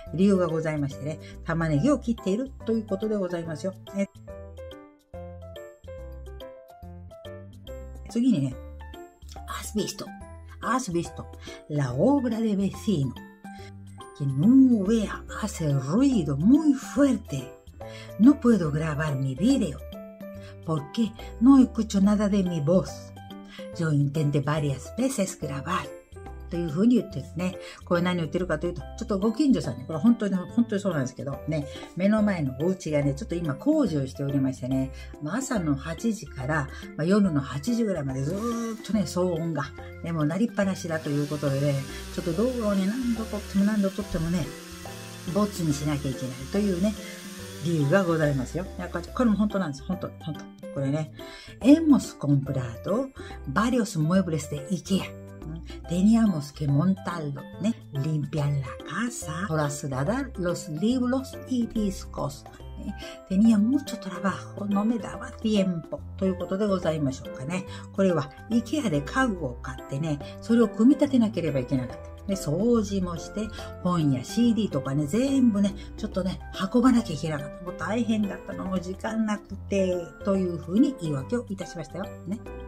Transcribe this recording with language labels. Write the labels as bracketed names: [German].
[Japanese] 理由がございましてね。玉ねぎを切っているということでございますよ。次にね、 [Spanish] アスビスト、ラオブラデベシーノ。Que no vea hace ruido muy fuerte no puedo grabar mi video porque no escucho nada de mi voz. Yo intenté varias veces grabar. [Japanese] というふうに言ってるね。これ何言ってるかというと、ちょっとご近所さんね、これ本当にそうなんですけどね、目の前のお家がね、ちょっと今工事をしておりましてね、まあ、朝の8時から、まあ、夜の8時ぐらいまでずっとね、騒音が、ね、もう鳴りっぱなしだということでね、ちょっと動画をね、何度撮ってもね、ボツにしなきゃいけないというね、理由がございますよ。これも本当なんです。本当。これね、 [Spanish] Hemos comprado varios muebles de IKEA. Teníamos que montarlo, ¿no? Limpiar la casa, trasladar los libros y discos, ¿no? Tenía mucho trabajo, no me daba tiempo. [Japanese] ということでございましょうかね。これは、IKEA で家具を買ってね、それを組み立てなければいけなかった。で、掃除もして、本や CD とかね、全部ね、ちょっとね、運ばなきゃいけなかった。もう大変だったの、もう時間なくて、というふうに言い訳をいたしましたよ、ね。